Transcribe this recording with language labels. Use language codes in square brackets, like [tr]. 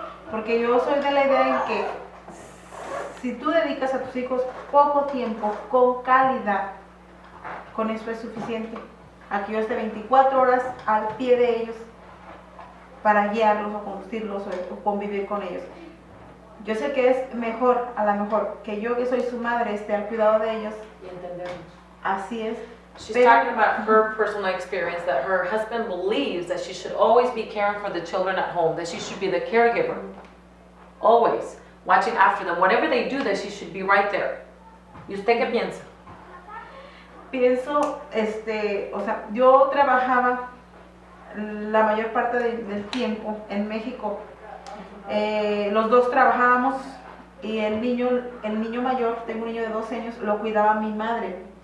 [es] Porque yo soy de la idea en que si tú dedicas a tus hijos poco tiempo, con calidad, con eso es suficiente. A que yo esté 24 horas al pie de ellos para guiarlos o conducirlos o convivir con ellos. Yo sé que es mejor, a lo mejor, que yo que soy su madre esté al cuidado de ellos. Y entendemos. Así es. [en] She's talking about her personal experience, that her husband believes that she should always be caring for the children at home, that she should be the caregiver, always watching after them. Whatever they do, that she should be right there. [es] ¿Y usted qué piensa? Pienso, o sea, yo trabajaba la mayor parte del tiempo en México. Los dos trabajábamos y el niño mayor, tengo un niño de 12 años, lo cuidaba mi madre.